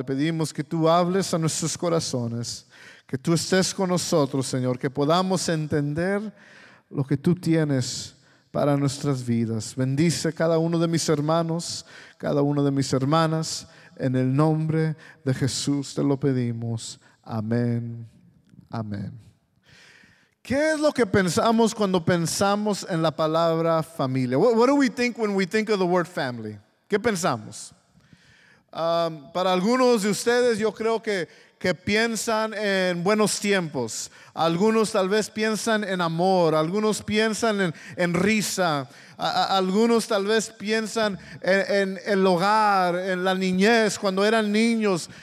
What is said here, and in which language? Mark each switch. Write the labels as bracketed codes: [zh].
[es] Te pedimos que tú hables a nuestros corazones, que tú estés con nosotros, Señor, que podamos entender lo que tú tienes para nuestras vidas. Bendice a cada uno de mis hermanos, cada una de mis hermanas. En el nombre de Jesús te lo pedimos. Amén. Amén. ¿Qué es lo que pensamos cuando pensamos en la palabra familia? [en] What do we think when we think of the word family? [es] ¿Qué pensamos? Para algunos de ustedes, yo creo que piensan en buenos tiempos. Algunos tal vez piensan en amor. Algunos piensan en risa. Algunos tal vez piensan en el hogar, en la niñez, cuando eran niños.